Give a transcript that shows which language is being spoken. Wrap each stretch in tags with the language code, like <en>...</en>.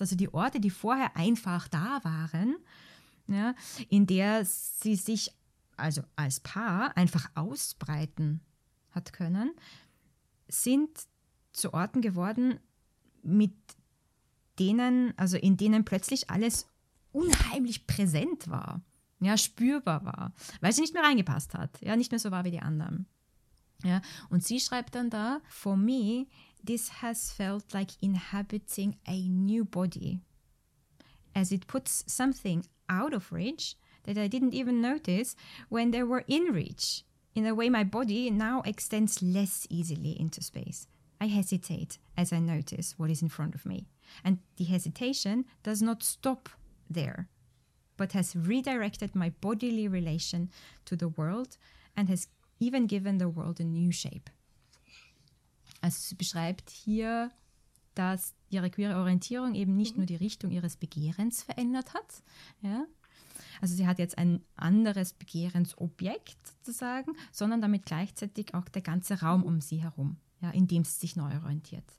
<de>Also die Orte, die vorher einfach da waren, ja, in der sie sich also als Paar einfach ausbreiten hat können, sind zu Orten geworden, mit denen, also in denen plötzlich alles unheimlich präsent war, ja, spürbar war, weil sie nicht mehr reingepasst hat, ja, nicht mehr so war wie die anderen. Ja, und sie schreibt dann da,</de> <en>for me, this has felt like inhabiting a new body, as it puts something out of reach that I didn't even notice when they were in reach. In a way, my body now extends less easily into space. I hesitate as I notice what is in front of me. And the hesitation does not stop there, but has redirected my bodily relation to the world and has even given the world a new shape.</en> <de>Also sie beschreibt hier, dass ihre queere Orientierung eben nicht nur die Richtung ihres Begehrens verändert hat, ja, also sie hat jetzt ein anderes Begehrensobjekt sozusagen, sondern damit gleichzeitig auch der ganze Raum um sie herum, ja, in dem sie sich neu orientiert.</de>